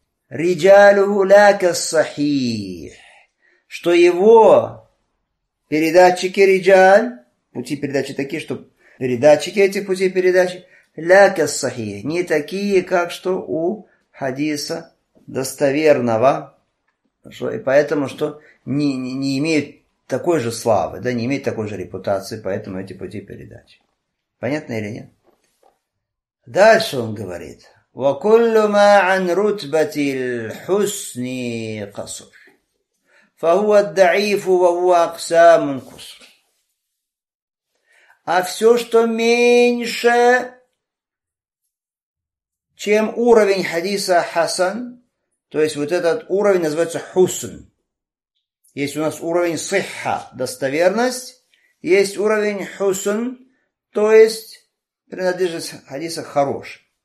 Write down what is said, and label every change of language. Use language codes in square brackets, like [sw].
[ru] Риджалю ляка сахих. Что его передатчики риджаль, пути передачи такие, что передатчики этих путей передачи ляка сахих, не такие, как что у хадиса достоверного. Что, и поэтому, что не имеют такой же славы, да, не имеют такой же репутации, поэтому эти пути передачи. Понятно или нет? Дальше он говорит. [ar] وكل ما عن رتبة الحسن قصر فهو الضعيف وهو أقسام قصر. [ru] А все, что меньше, чем уровень хадиса хасан, то есть вот этот уровень называется хусн. Есть у нас уровень сихха, достоверность, есть уровень хусн, то есть принадлежность хадиса хороший.